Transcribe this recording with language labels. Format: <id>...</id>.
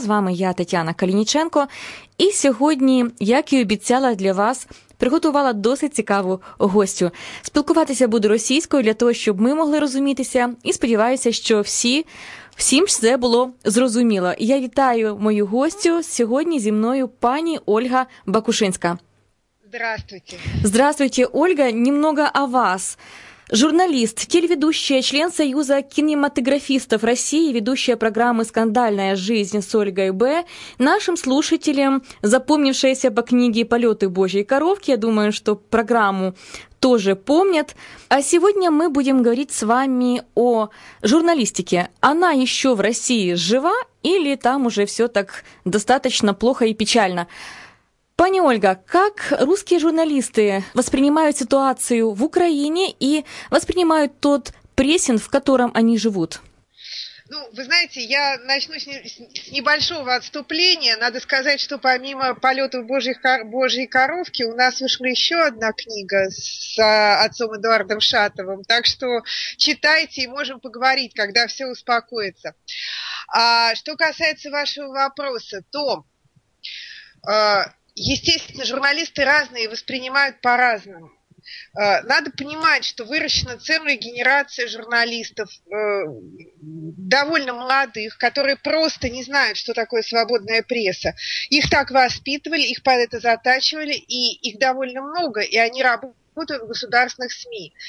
<uk>З вами я, Тетяна Калініченко. І сьогодні, як і обіцяла для вас, приготувала досить цікаву гостю. Спілкуватися буду російською для того, щоб ми могли розумітися. І сподіваюся, що всім ж це було зрозуміло. Я вітаю мою гостю. Сьогодні зі мною пані Ольга Бакушинська.</uk> <ru>Здравствуйте, Ольга, немного о вас. Журналист, телеведущая, член Союза кинематографистов России, ведущая программы «Скандальная жизнь» с Ольгой Б. Нашим слушателям, запомнившаяся по книге «Полеты Божьей коровки», я думаю, что программу тоже помнят. А сегодня мы будем говорить с вами о журналистике. Она еще в России жива или там уже все так достаточно плохо и печально?</ru> <uk>Пані Ольга, як російські журналісти сприймають ситуацію в Україні і сприймають той пресинг, в якому вони живуть? Ну, ви знаєте, я почну з небольшого відступлення. Надо сказати, що помимо «Польоту Божьей коровки» у нас вийшла ще одна книга з отцом Едуардом Шатовым. Так що читайте і можемо поговорити, коли все успокоїться. А що стосується вашого питання, то...</uk> <ru>Естественно, журналисты разные, воспринимают по-разному. Надо понимать, что выращена целая генерация журналистов, довольно молодых, которые просто не знают, что такое свободная пресса. Их так воспитывали, их под это затачивали, и их довольно много, и они работают в государственных СМИ.</ru>